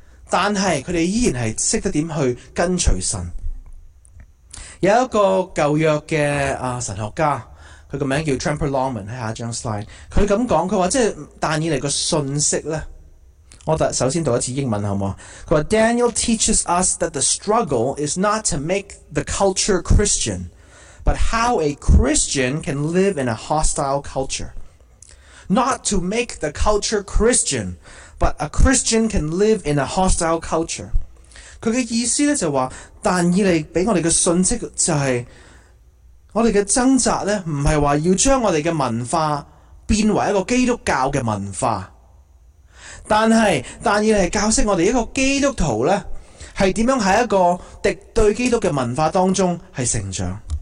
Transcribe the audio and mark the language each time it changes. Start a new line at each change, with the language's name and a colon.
Chinese: 但是他们依然是懂得怎么去跟随神。有一个旧约的神学家，他的名字叫 Tremper Longman， 在下一张 slide。他这样讲，他说即是但以理的信息呢，我首先读一次英文好吗？他说
English: Daniel teaches us that the struggle is not to make the culture Christian,but how a Christian can live in a hostile culture. Not to make the culture Christian, but a Christian can live in a hostile culture.
Chinese: 他的意思就是说，但以利给我们的信息就是，我们的挣扎不是说要将我们的文化变为一个基督教的文化。但是但以利是教识我们一个基督徒呢，是怎样在一个敌对基督的文化当中是成长。